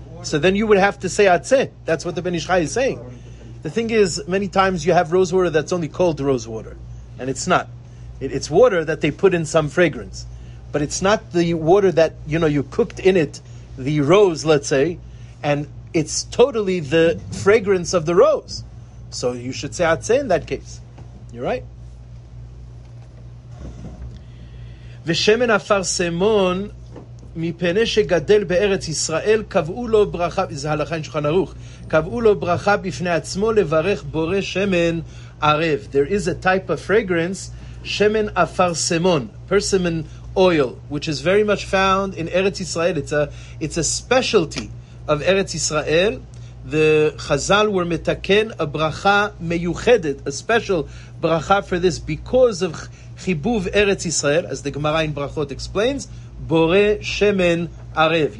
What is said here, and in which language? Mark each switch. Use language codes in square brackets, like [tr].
[en] So then you would have to say atzeh. That's what the Ben Ish Chai is saying. The thing is, many times you have rose water that's only called rose water. And it's not. It's water that they put in some fragrance. But it's not the water that, you know, you cooked in it, the rose, let's say, and it's totally the fragrance of the rose. So you should say atzeh in that case. You're right. [he] V'shemen afar semon מפני שגדל בארץ ישראל קבעו לו ברכה, זה הלכה עם שולחן ערוך, קבעו לו ברכה בפני עצמו לברך בורא שמן ערב. [en] There is a type of fragrance, שמן אפרסמון, persimmon oil, which is very much found in ארץ ישראל. It's a specialty of ארץ ישראל. The Chazal were מתקן a ברכה מיוחדת, a special ברכה for this because of חיבוב ארץ ישראל, as the Gemara in ברכות explains, Bore Shemen Arev.